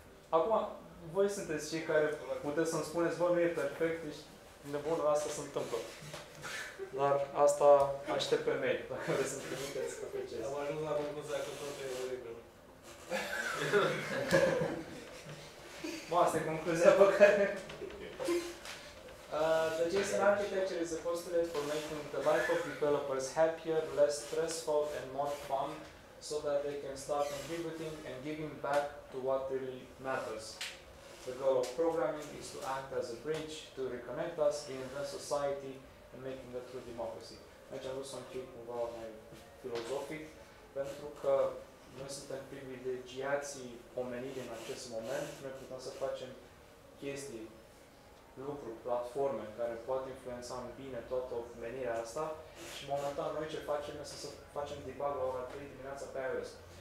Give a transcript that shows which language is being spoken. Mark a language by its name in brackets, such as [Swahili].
[Romanian] Acum, voi sunteți cei care puteți să-mi spuneți, bă, nu e perfect, ești nebun, asta se întâmplă. Dar asta aștept pe mail, dacă vreți să-mi trimiteți că pe am ajuns la concluzia că tot e oribil. Bă, asta e concluzia pe care... [English] the JSON architecture is a postulate for making the life of developers happier, less stressful, and more fun, so that they can start contributing and giving back to what really matters. The goal of programming is to act as a bridge to reconnect us, reinvent society, and making a true democracy. [Romanian] Aici am vrut să încep cumva mai filozofic, pentru că noi suntem privilegiații omenii din acest moment, noi putem să facem chestii, lucruri, platforme care poate influența în bine toată omenirea asta și momentan noi ce facem este să facem debug la ora 3 dimineața pe iOS.